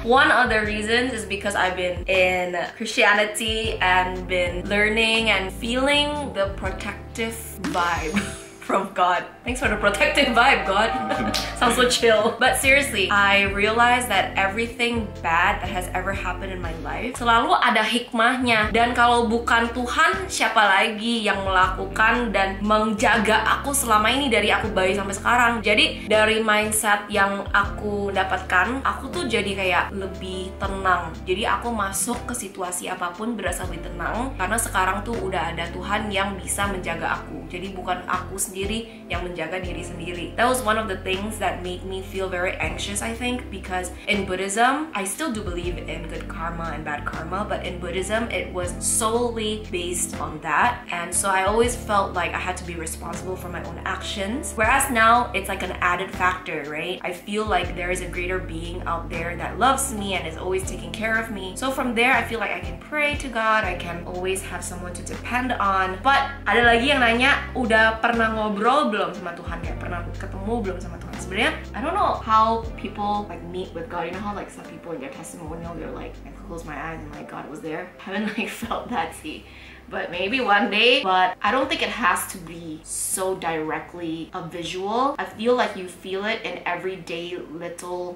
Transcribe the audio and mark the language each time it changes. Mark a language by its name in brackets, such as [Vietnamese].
[English] One of the reasons is because I've been in Christianity and been learning and feeling the protective vibe from God. Thanks for the protective vibe, God. Sounds so chill. But seriously, I realized that everything bad that has ever happened in my life, [Indonesian] selalu ada hikmahnya. Dan kalau bukan Tuhan, siapa lagi yang melakukan dan menjaga aku selama ini dari aku bayi sampai sekarang. Jadi dari mindset yang aku dapatkan, aku tuh jadi kayak lebih tenang. Jadi aku masuk ke situasi apapun berasa lebih tenang, karena sekarang tuh udah ada Tuhan yang bisa menjaga aku. Jadi bukan aku sendiri yang menjaga diri sendiri. [English] That was one of the things that made me feel very anxious, I think, because in Buddhism, I still do believe in good karma and bad karma, but in Buddhism, it was solely based on that. And so I always felt like I had to be responsible for my own actions. Whereas now, it's like an added factor, right? I feel like there is a greater being out there that loves me and is always taking care of me. So from there, I feel like I can pray to God, I can always have someone to depend on. [Indonesian] But ada lagi yang nanya, udah pernah ngobrol belum sama Tuhan, kayak pernah ketemu belum sama Tuhan? [English] sebenarnya, I don't know how people like meet with God. You know how like some people in their testimonial, they're like, I close my eyes and like God was there. I haven't like felt that see. But maybe one day, but I don't think it has to be so directly a visual. I feel like you feel it in everyday little...